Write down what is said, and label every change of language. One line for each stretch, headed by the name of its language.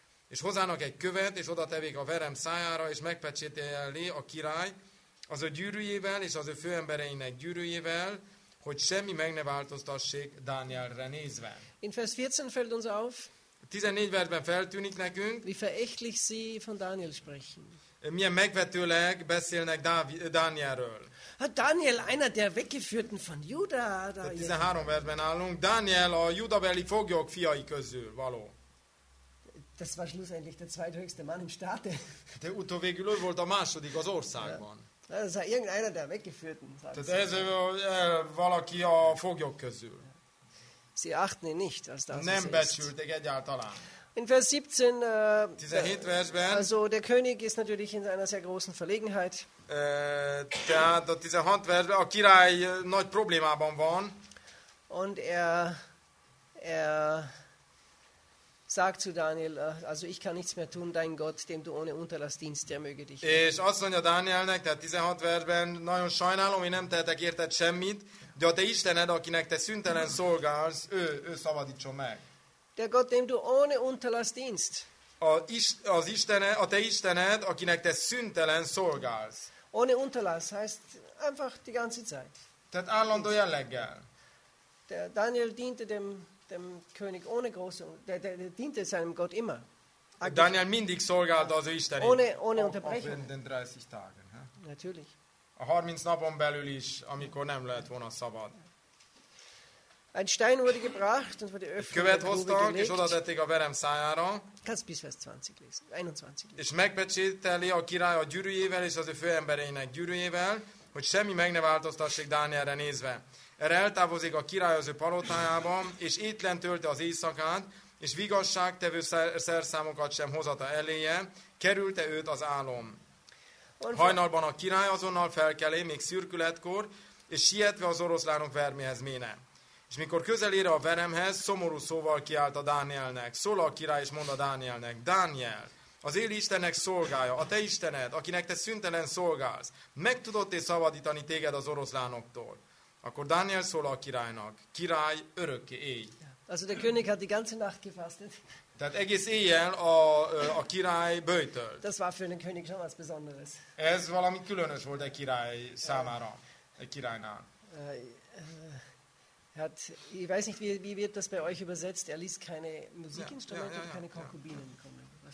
Hungarian: És hozzának egy követ, és oda tevék a verem szájára, és megpecsételje a király az ő gyűrűjével, és az ő főembereinek gyűrűjével, hogy semmi meg ne változtassék Dánielre nézve.
German: In Vers 14 fällt uns auf,
Hungarian: 14 versben feltűnik nekünk,
German: wie verächtlich sie von Daniel sprechen.
Hungarian: Milyen megvetőleg beszélnek Dánielről.
German: Hát Daniel, einer der weggeführten von Juda.
Hungarian: 13 versben állunk. Daniel a judabeli foglyok fiai közül való.
German: Das war schlussendlich der zweithöchste Mann im Staate.
Hungarian: De utóvégül ő volt a második az országban.
German: Ez irgendeiner der weggeführten.
Hungarian: Tehát ez valaki a foglyok közül.
German: Sie achten ihn nicht, als das
Hungarian: nem becsülték egyáltalán.
German: In Vers 17,
Hungarian: 17 versben,
German: also der König ist natürlich in einer sehr großen Verlegenheit.
Hungarian: Tehát a 16 versben a király nagy problémában van.
German: Und er sagt zu Daniel, also ich kann nichts mehr tun, dein Gott, dem du ohne Unterlass dienst, der möge dich.
Hungarian: És azt mondja Dánielnek, tehát 16 versben, nagyon sajnálom, én nem tehetek érted semmit, de a te Istened, akinek te szüntelen szolgálsz, ő szabadítson meg.
German: Der Gott, dem du ohne Unterlass dienst.
Hungarian: A te Istened, akinek te szüntelen szolgálsz.
German: Ohne Unterlass heißt einfach die ganze Zeit.
Hungarian: Tehát állandó jelleggel.
German: Daniel diente dem König ohne große, der diente seinem Gott immer.
Hungarian: Daniel mindig szolgált az ő Istenét.
German: Ohne Unterbrechung. Auf den 30 Tagen. Natürlich.
Hungarian: A 30 napon belül is, amikor nem lehet volna szabad.
German: Ein Stein wurde gebracht und wurde öffnet.
Hungarian: Követ hoztak, és oda tették a verem szájára.
German: Kannst bis Vers 20 lesen, 21 lesen.
Hungarian: És megpecsételi a király a gyűrűjével és az ő főembereinek gyűrűjével, hogy semmi meg ne változtassék Dánielre nézve. Erre eltávozik a király az ő palotájában, és étlen tölte az éjszakát, és vigasságtevő szerszámokat sem hozata eléje, kerülte őt az álom. Hajnalban a király azonnal felkelé, még szürkületkor, és sietve az oroszlánok verméhez méne. És mikor közel ér a veremhez, szomorú szóval kiállt a Dánielnek. Szól a király, és mond a Dánielnek, Dániel, az él Istennek szolgája, a te Istened, akinek te szüntelen szolgálsz, meg tudott-e szabadítani téged az oroszlánoktól? Akkor Dániel szól a királynak, király, örökké élj.
German: Also der König hat die ganze Nacht gefastet.
Hungarian: Tehát egész éjjel a király böjtölt.
German: Das war für den König schon was Besonderes.
Hungarian: Ez valami különös volt egy király számára, egy királynál.
German: Hát, ich weiß nicht, wie wird das bei euch übersetzt, er ließ keine Musikinstrumente, keine Konkubinen kommen.